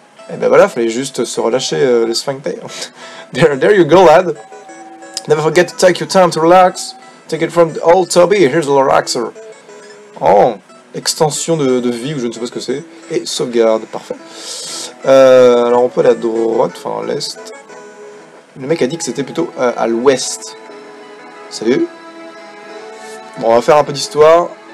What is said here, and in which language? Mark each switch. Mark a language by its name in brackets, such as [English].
[French] Eh ben voilà, fallait juste se relâcher le sphincter. [English] There you go, lad. Never forget to take your time to relax. Take it from the old Toby, here's a relaxer. [French] Oh, extension de vie, ou je ne sais pas ce que c'est. Et sauvegarde, parfait. Alors on peut aller à droite, enfin à l'est. Le mec a dit que c'était plutôt à l'ouest. Salut. Bon, on va faire un peu d'histoire.